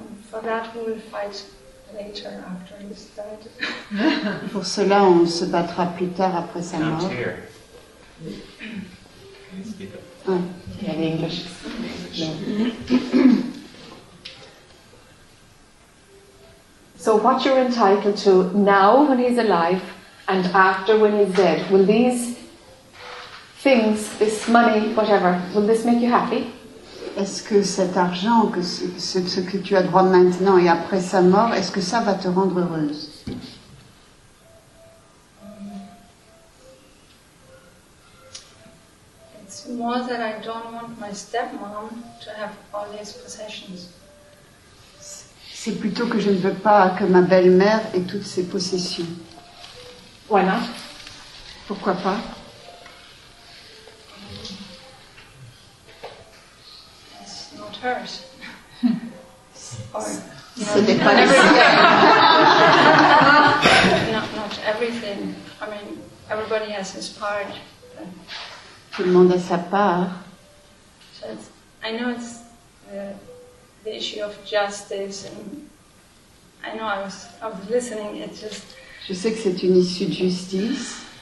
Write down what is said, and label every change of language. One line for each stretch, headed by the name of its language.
English: For that we will fight later after he's dead.
French: Pour cela, on se battra plus tard après sa mort.
English: So what you're entitled to now when he's alive and after when he's dead, will these things, this money, whatever, will this make you happy?
French: Est-ce que cet argent, que ce que tu as droit maintenant et après sa mort, est-ce que ça va te rendre heureuse?
English: It's more that I don't want my stepmom to have all his possessions.
French: C'est plutôt que je ne veux pas que ma belle-mère ait toutes ses possessions.
English: Why not?
French: Pourquoi pas?
English: Not everything. I mean, everybody has his part.
French: Tout le monde a sa part.
English: I know it's the issue of justice, and I know I was listening. It just.
French: Je sais que c'est une issue de justice.